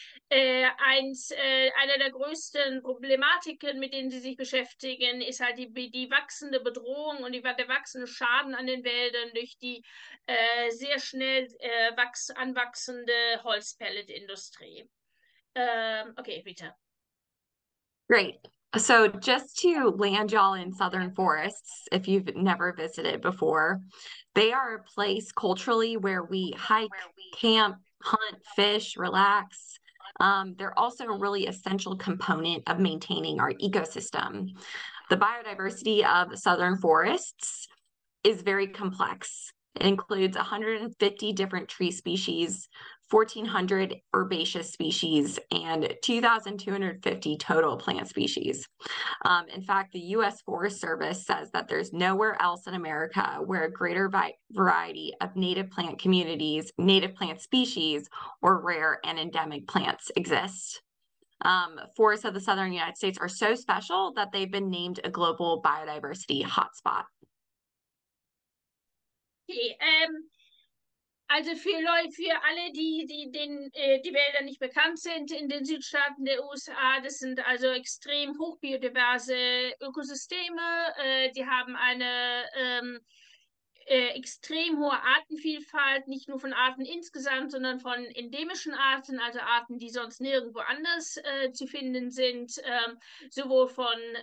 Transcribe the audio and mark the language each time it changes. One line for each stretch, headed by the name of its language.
German: Einer der größten Problematiken, mit denen sie sich beschäftigen, ist halt die wachsende Bedrohung und der wachsende Schaden an den Wäldern durch die sehr schnell anwachsende Holzpelletindustrie.
English: Okay, Rita. Great. So just to land y'all in southern forests, if you've never visited before, they are a place culturally where we hike, camp, hunt, fish, relax. They're also a really essential component of maintaining our ecosystem. The biodiversity of southern forests is very complex. It includes 150 different tree species, 1,400 herbaceous species, and 2,250 total plant species. In fact, the U.S. Forest Service says that there's nowhere else in America where a greater variety of native plant communities, native plant species, or rare and endemic plants exist. Forests of the Southern United States are so special that they've been named a global biodiversity hotspot.
German: Okay, also für alle, die Wälder nicht bekannt sind in den Südstaaten der USA, das sind also extrem hochbiodiverse Ökosysteme, die haben eine extrem hohe Artenvielfalt, nicht nur von Arten insgesamt, sondern von endemischen Arten, also Arten, die sonst nirgendwo anders zu finden sind, sowohl von,